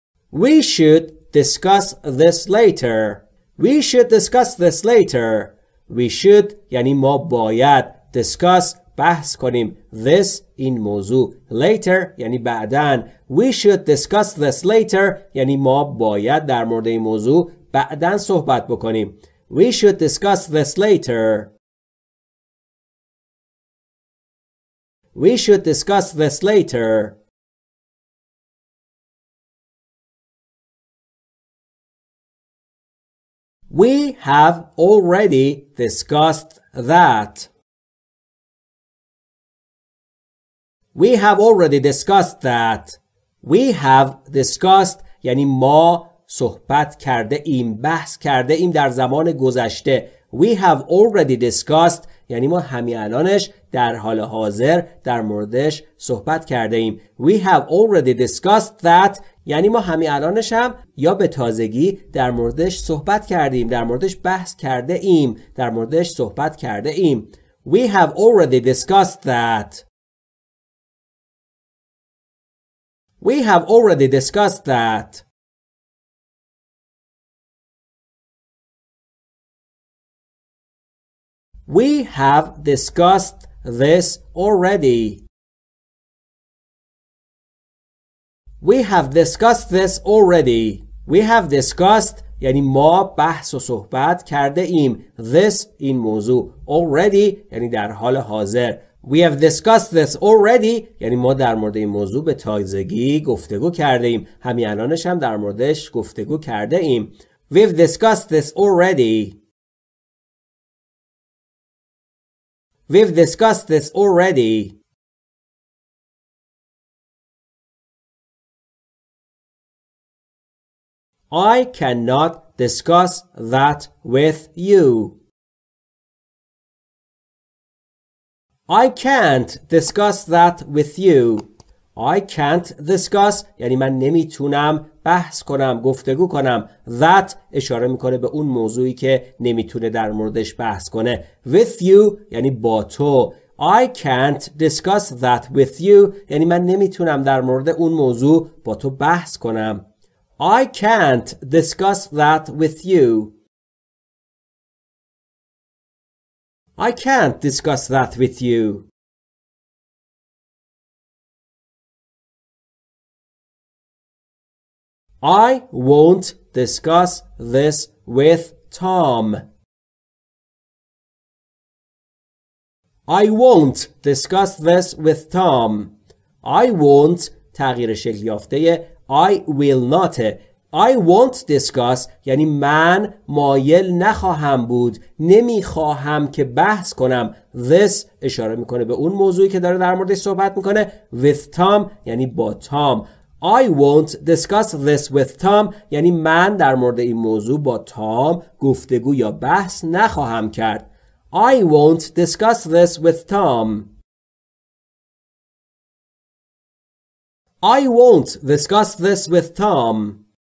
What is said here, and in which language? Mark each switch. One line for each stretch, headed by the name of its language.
English: We should discuss this later. We should discuss this later. We should
Persian: یعنی ما باید
English: discuss
Persian: بحث کنیم
English: this
Persian: این موضوع
English: later
Persian: یعنی بعدن.
English: We should discuss this later
Persian: یعنی ما باید در مورد این موضوع بعدن صحبت بکنیم.
English: We should discuss this later. We should discuss this later. We have already discussed that. We have already discussed that. We have discussed
Persian: یعنی ما صحبت کرده ایم، بحث کرده ایم در زمان گذشته.
English: We have already discussed
Persian: یعنی ما همین الانش در حال حاضر در موردش صحبت کرده ایم.
English: We have already discussed that
Persian: یعنی ما همین الانش هم یا به تازگی در موردش صحبت کردیم، در موردش بحث کرده ایم، در موردش صحبت کرده ایم.
English: We have already discussed that. We have already discussed that. We have discussed this already. We have discussed this already. We have discussed
Persian: یعنی ما بحث و صحبت کرده ایم.
English: This
Persian: این موضوع
English: already
Persian: یعنی در حال حاضر.
English: We have discussed this already
Persian: یعنی ما در مورد این موضوع به تازگی گفتگو کرده ایم. همین الانش هم در موردش گفتگو کرده ایم.
English: We have discussed this already. We've discussed this already. I cannot discuss that with you. I can't discuss that with you. I can't discuss
Persian: یعنی من نمیتونم بحث کنم، گفتگو کنم.
English: That
Persian: اشاره میکنه به اون موضوعی که نمیتونه در موردش بحث کنه.
English: With you
Persian: یعنی با تو.
English: I can't discuss that with you
Persian: یعنی من نمیتونم در مورد اون موضوع با تو بحث کنم.
English: I can't discuss that with you. I can't discuss that with you. I won't discuss this with Tom. I won't discuss this with Tom. I won't
Persian: تغییر شکل یافته
English: I will not. I won't discuss
Persian: یعنی من مایل نخواهم بود، نمیخواهم که بحث کنم.
English: This
Persian: اشاره میکنه به اون موضوعی که داره در موردش صحبت میکنه.
English: With Tom
Persian: یعنی با Tom.
English: I won't discuss this with Tom
Persian: یعنی من در مورد این موضوع با تام گفتگو یا بحث نخواهم کرد.
English: I won't discuss this with Tom. I won't discuss this with Tom.